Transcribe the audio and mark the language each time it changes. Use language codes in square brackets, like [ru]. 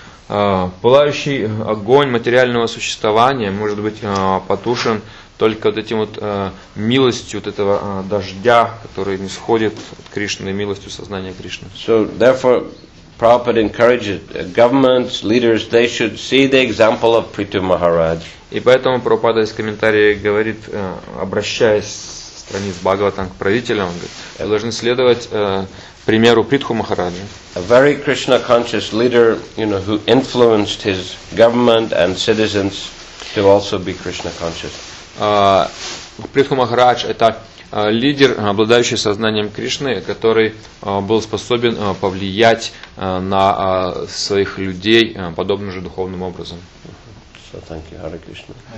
[ru] Пылающий огонь материального существования может быть потушен только вот этим вот милостью вот этого дождя, который нисходит от Кришны, милостью сознания Кришны. [en] So therefore, Prabhupada encourages governments, leaders, they should see the example of Prithu Maharaj. [ru] И поэтому Прабхупада из комментарии говорит, обращаясь страниц Бхагаватам к правителям, он говорит, вы должны следовать примеру Притху Махараджи. [en] A very Krishna-conscious leader, you know, who influenced his government and citizens to also be Krishna-conscious. [ru] Притху Махарадж – это лидер, обладающий сознанием Кришны, который был способен повлиять на своих людей подобным же духовным образом. [en] So thank you, Hare Krishna.